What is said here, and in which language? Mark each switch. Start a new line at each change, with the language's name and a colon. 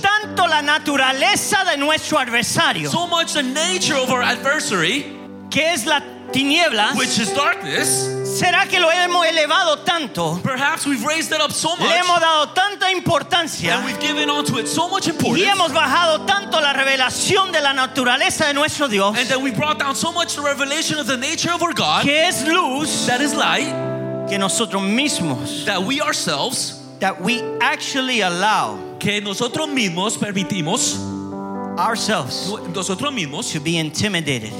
Spanish: tanto la naturaleza de nuestro adversario,
English: so much the nature of our adversary,
Spanish: que es la tinieblas,
English: which is darkness.
Spanish: ¿Será que lo hemos elevado tanto?
English: Perhaps we've raised it up so much.
Spanish: Le hemos dado tanta importancia.
English: And we've given onto it so much importance.
Spanish: Y hemos bajado tanto la revelación de la naturaleza de nuestro Dios.
English: And that we brought down so much the revelation of the nature of our God.
Spanish: Que es luz.
English: That is light.
Spanish: Que nosotros mismos.
English: That we ourselves. That we actually allow.
Spanish: Que nosotros mismos permitimos.
English: Ourselves.
Spanish: Nosotros mismos.
English: To be intimidated.